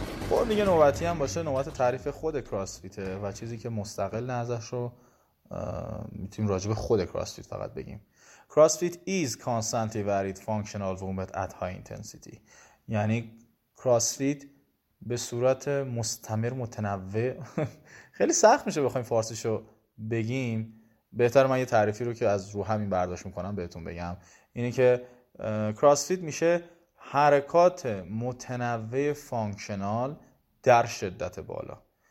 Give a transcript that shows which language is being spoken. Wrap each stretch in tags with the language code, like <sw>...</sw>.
<fa>خب دیگه نوبتی هم باشه، نوبت تعریف خود کراسفیته و چیزی که مستقل ازش رو میتونیم راجع به خود کراسفیت فقط بگیم.</fa> <en>CrossFit is constantly varied functional movement at high intensity.</en> <fa>یعنی CrossFit به صورت مستمر متنوع خیلی سخت میشه بخوایم فارسیشو بگیم. بهتر من یه تعریفی رو که از رو همین برداشت میکنم بهتون بگم، اینه که CrossFit میشه حرکات متنوع فانکشنال در شدت بالا.</fa>